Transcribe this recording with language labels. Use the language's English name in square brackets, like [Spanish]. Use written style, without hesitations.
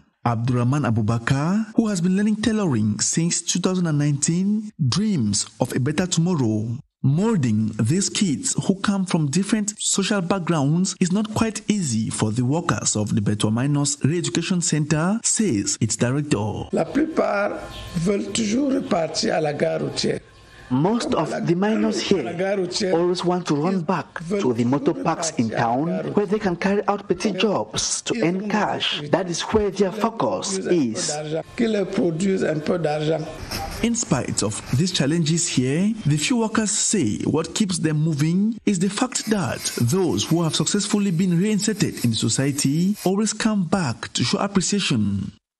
[English] Abdurrahman Abubakar, who has been learning tailoring since 2019, dreams of a better tomorrow. Molding these kids who come from different social backgrounds is not quite easy for the workers of the Betwa Minors Re-Education Center, says its director. [French] La plupart veulent toujours repartir à la gare routière. [English] Most of the minors here always want to run back to the motor parks in town where they can carry out petit jobs to earn cash. That is where their focus is. In spite of these challenges here, the few workers say what keeps them moving is the fact that those who have successfully been reinserted in society always come back to show appreciation.